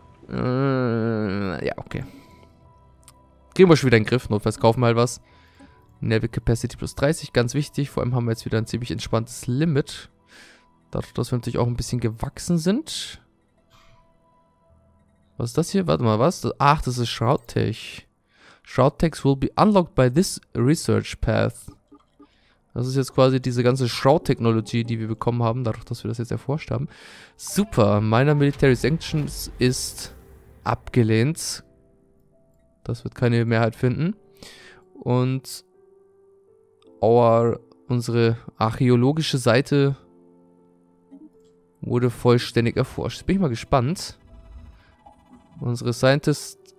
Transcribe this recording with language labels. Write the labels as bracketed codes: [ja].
[de] Ja, okay. Kriegen wir schon wieder in den Griff. Notfalls kaufen wir halt was. Navy Capacity plus 30, ganz wichtig. Vor allem haben wir jetzt wieder ein ziemlich entspanntes Limit. Dadurch, dass wir natürlich auch ein bisschen gewachsen sind. Was ist das hier? Warte mal, was? Ach, das ist Shroud Tech. [en] Shroud Techs will be unlocked by this research path. [de] Das ist jetzt quasi diese ganze Shroud-Technologie, die wir bekommen haben, dadurch, dass wir das jetzt erforscht haben. Super, Minor Military Sanctions ist abgelehnt. Das wird keine Mehrheit finden. Und unsere archäologische Seite wurde vollständig erforscht. Bin ich mal gespannt. Unsere Scientists